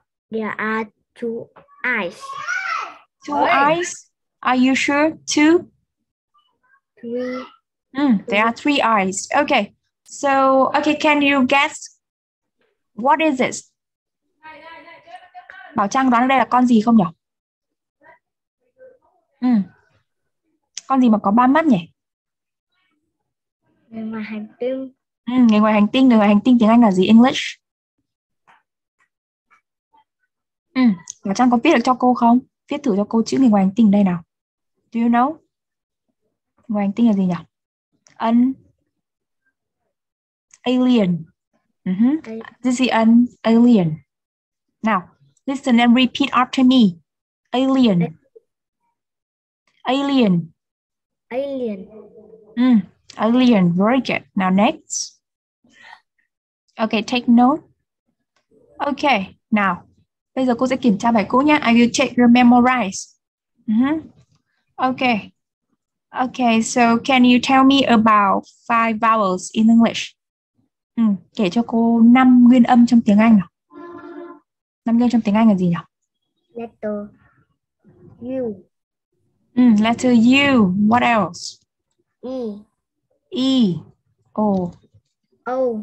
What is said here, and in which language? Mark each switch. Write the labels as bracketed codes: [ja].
[en] There are two eyes. Two eyes? Are you sure? Two? Three. There are three eyes. Okay. So, okay, can you guess what is this? [vi] Bảo Trang đoán đây là con gì không nhỉ? Con gì mà có ba mắt nhỉ? Người ngoài hành tinh. Người ngoài hành tinh. Người ngoài hành tinh tiếng Anh là gì? [en] English. [vi] Bảo Trang có viết được cho cô không? Viết thử cho cô chữ người ngoài hành tinh đây nào. [en] Do you know? [vi] Người ngoài hành tinh là gì nhỉ? [en] An alien. This is an alien. Now, listen and repeat after me. Alien. Alien. Alien. Alien. Very good. Now next. Okay, take note. Okay, now. [vi] Bây giờ cô sẽ kiểm tra bài cũ nhé. [en] I will check your memorize. Okay. Okay, so can you tell me about five vowels in English? [vi] Kể cho cô năm nguyên âm trong tiếng Anh nào. Năm nguyên âm trong tiếng Anh là gì nhỉ? [en] Letter U. Letter U. What else? E. E. O. O.